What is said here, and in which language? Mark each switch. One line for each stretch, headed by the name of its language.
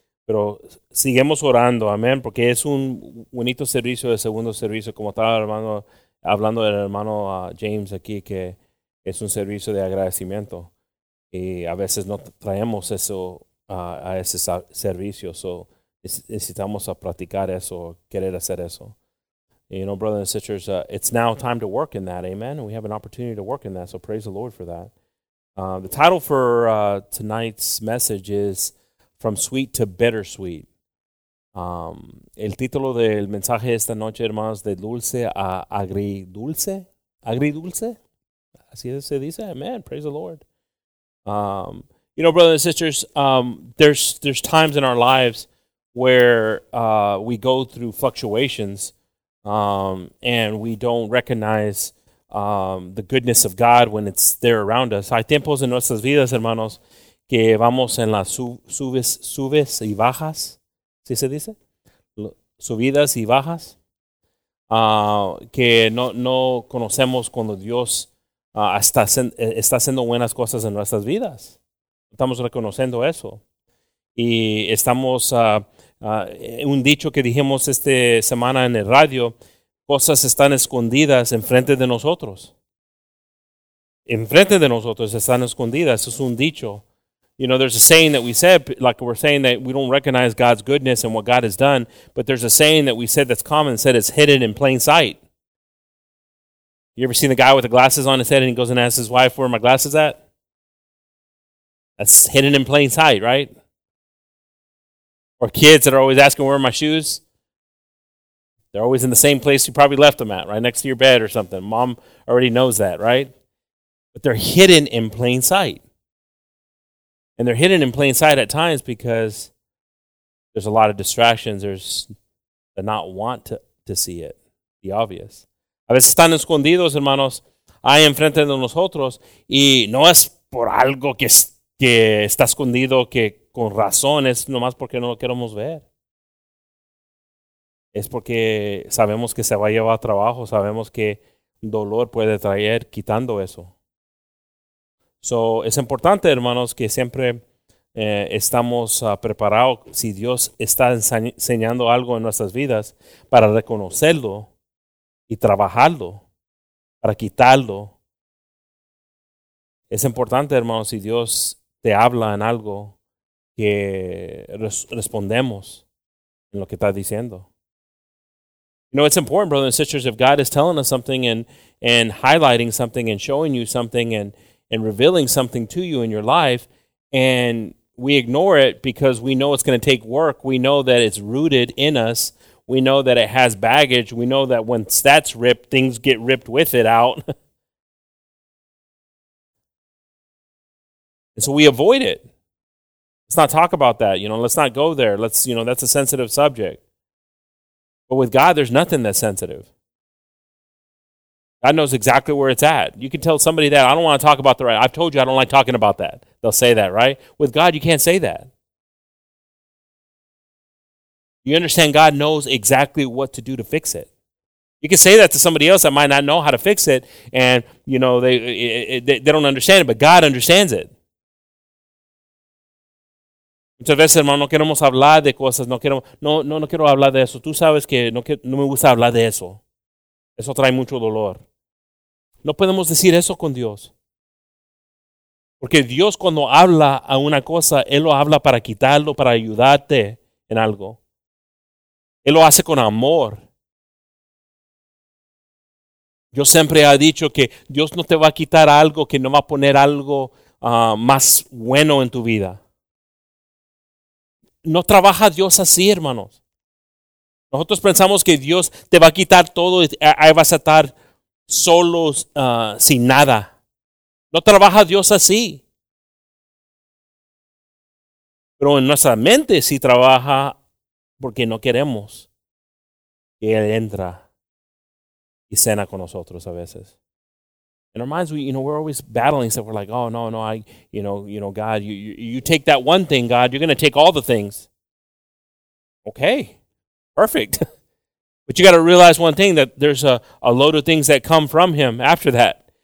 Spanish: Pero seguimos orando, amén, porque es un bonito servicio de segundo servicio, como estaba hablando del hermano James aquí, que es un servicio de agradecimiento. Y a veces no traemos eso a ese servicio, so necesitamos a practicar eso, querer hacer eso.
English: You know, brothers and sisters, it's now time to work in that, amen. And we have an opportunity to work in that, so praise the Lord for that. The title for tonight's message is From Sweet to Bittersweet.
Spanish: El título del mensaje esta noche, hermanos, de dulce a agridulce. Agridulce. Así se dice. Amen.
English: Praise the Lord. You know, brothers and sisters, there's times in our lives where we go through fluctuations and we don't recognize the goodness of God when it's there around us.
Spanish: Hay tiempos en nuestras vidas, hermanos, que vamos en las subes y bajas, ¿sí se dice? Subidas y bajas, que no conocemos cuando Dios está haciendo buenas cosas en nuestras vidas. Estamos reconociendo eso. Y estamos, un dicho que dijimos esta semana en el radio, cosas están escondidas enfrente de nosotros. Enfrente de nosotros están escondidas, es un dicho.
English: You know, there's a saying that we said, like we're saying that we don't recognize God's goodness and what God has done, but there's a saying that we said that's common, said it's hidden in plain sight. You ever seen a guy with the glasses on his head and he goes and asks his wife, where are my glasses at? That's hidden in plain sight, right? Or kids that are always asking, where are my shoes? They're always in the same place you probably left them at, right next to your bed or something. Mom already knows that, right? But they're hidden in plain sight. And they're hidden in plain sight at times because there's a lot of distractions. There's the not want to see it, the obvious.
Spanish: A veces están escondidos, hermanos, ahí enfrente de nosotros. Y no es por algo que está escondido, que con razón, es nomás porque no lo queremos ver. Es porque sabemos que se va a llevar a trabajo, sabemos que dolor puede traer quitando eso. So, es importante, hermanos, que siempre estamos preparados, si Dios está enseñando algo en nuestras vidas, para reconocerlo y trabajarlo, para quitarlo. Es importante, hermanos, si Dios te habla en algo, que respondemos en lo que está diciendo.
English: You know, it's important, brothers and sisters, if God is telling us something and highlighting something and showing you something and revealing something to you in your life, and we ignore it because we know it's going to take work. We know that it's rooted in us. We know that it has baggage. We know that once that's ripped, things get ripped with it out. And so we avoid it. Let's not talk about that. You know, let's not go there. Let's, you know, that's a sensitive subject. But with God, there's nothing that's sensitive. God knows exactly where it's at. You can tell somebody that, I don't want to talk about the right. I've told you I don't like talking about that. They'll say that, right? With God, you can't say that. You understand God knows exactly what to do to fix it. You can say that to somebody else that might not know how to fix it, and you know they don't understand it, but God understands it.
Spanish: Muchas veces, hermano, no queremos hablar de cosas. No quiero hablar de eso. Tú sabes que no me gusta hablar de eso. Eso trae mucho dolor. No podemos decir eso con Dios. Porque Dios cuando habla a una cosa, Él lo habla para quitarlo, para ayudarte en algo. Él lo hace con amor. Yo siempre he dicho que Dios no te va a quitar algo que no va a poner algo más bueno en tu vida. No trabaja Dios así, hermanos. Nosotros pensamos que Dios te va a quitar todo y ahí vas a estar solos, sin nada. No trabaja Dios así. Pero en nuestra mente sí trabaja porque no queremos que Él entra y cena con nosotros a veces.
English: In our minds, we're always battling. So we're like, oh, no, God, you take that one thing, God, you're going to take all the things. Okay, perfect. But you got to realize one thing, that there's a load of things that come from Him after that.